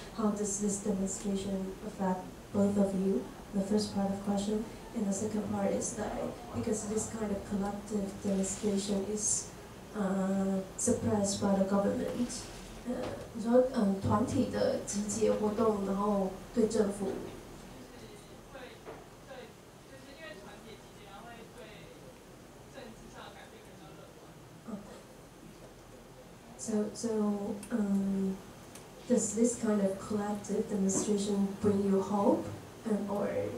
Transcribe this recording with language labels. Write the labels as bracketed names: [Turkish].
[English] How does this demonstration affect both of you? The first part of the question. And the second part is that because this kind of collective demonstration is suppressed by the government, [Chinese] 你说团体的集结活动，然后对政府，就是会对，就是因为团体集结，然后会对政治上的改变感到乐观。 [English] So does this kind of collective demonstration bring you hope, or?